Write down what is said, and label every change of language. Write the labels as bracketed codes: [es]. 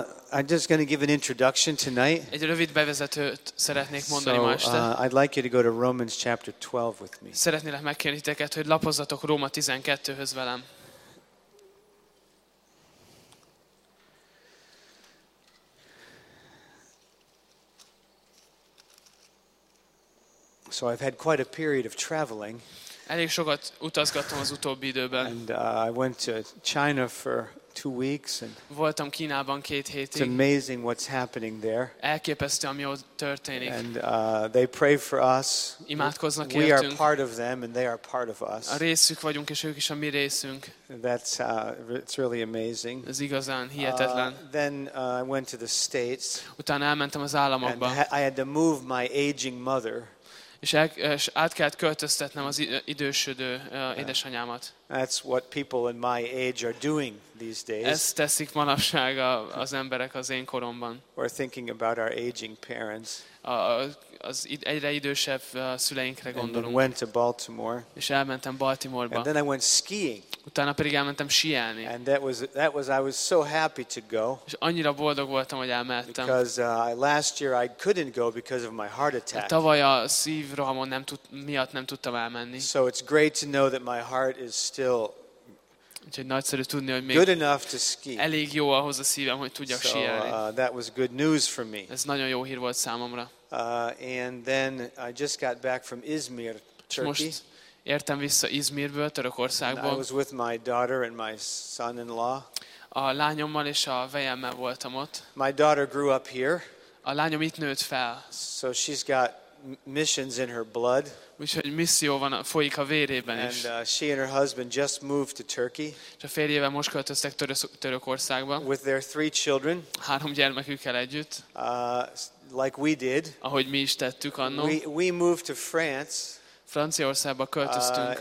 [en] I'm just going to give an introduction tonight. [hu] Egy rövid bevezetőt szeretnék mondani [en] so, [hu] ma este. [en] I'd like you to go to Romans chapter 12 with me. [hu] Szeretnélek megkérni titeket, hogy lapozzatok Róma 12-höz velem. [en] So I've had quite a period of traveling. [hu] Elég sokat utazgattam az utóbbi időben. [en] And I went to China for 2 weeks and [hu] voltam Kínában 2 hétig. [en] It's amazing what's happening there. [hu] Elképesztő, ami ott történik. [en] And they pray for us. [hu] Imádkoznak értünk. [en] We are part of them and they are part of us. [hu] A részük vagyunk és ők is a mi részünk. [en] That's it's really amazing. [hu] Ez igazán hihetetlen. [en] Then I went to the States. [hu] Utána elmentem az államokba. [en] And I had to move my aging mother. [hu] És át kellett költöztetnem az idősödő édesanyámat. [en] That's what people in my age are doing these days. [hu] Ezt teszik manapság az emberek az én koromban. [en] We're thinking about our aging parents. [hu] Az egyre idősebb szüleinkre gondolunk. [en] And then went to Baltimore. [hu] És elmentem Baltimoreba. [en] And then I went skiing. [hu] Utána pedig elmentem síelni. [en] And that was I was so happy to go. [hu] És annyira boldog voltam, hogy elmehettem. [en] Because last year I couldn't go because of my heart attack. [hu] Tavaly a szívrohamon nem tudtam elmenni. [en] So it's great to know that my heart is still [hu] nagyszerű tudni, hogy még [en] good enough to ski. [hu] Elég jó ahhoz a szívem, hogy tudjak síelni. [en] So that was good news for me. [hu] Ez nagyon jó hír volt számomra. [en] And then I just got back from Izmir, Turkey. [hu] Most értem vissza Izmirből, Törökországból. [en] I was with my daughter and my son-in-law. [hu] A lányommal és a vejemmel voltam ott. [en] My daughter grew up here. [hu] A lányom itt nőtt fel. [en] So she's got missions in her blood. [hu] Úgyhogy misszió van, folyik a vérében is. [en] And she and her husband just moved to Turkey. [hu] És a férjével most költöztek Törökországba. [en] With their 3 children. [hu] Három gyermekükkel együtt. [en] Like we did. [hu] Ahogy mi is tettük annó. [en] We moved to France. [hu] Franciaországba költöztünk.